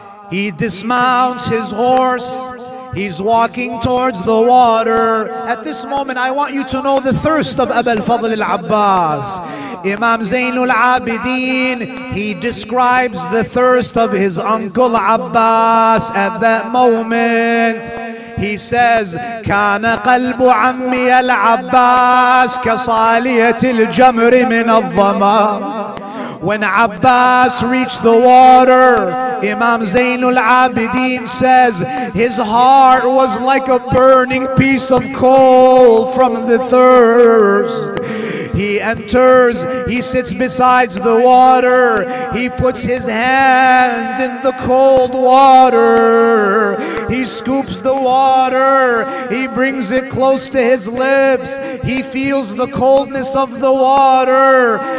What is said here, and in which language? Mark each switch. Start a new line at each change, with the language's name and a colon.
English: He dismounts his horse. He's walking towards the water. At this moment, I want you to know the thirst of Aba al-Fadl al-Abbas. Imam Zainul Abideen, he describes the thirst of his uncle Abbas at that moment. He says,
Arabic: كان قلب عمي العباس كصالية الجمر من الظما.
English: When Abbas reached the water, Imam Zainul Abideen says, his heart was like a burning piece of coal from the thirst. He enters, he sits beside the water, he puts his hands in the cold water, he scoops the water, he brings it close to his lips, he feels the coldness of the water.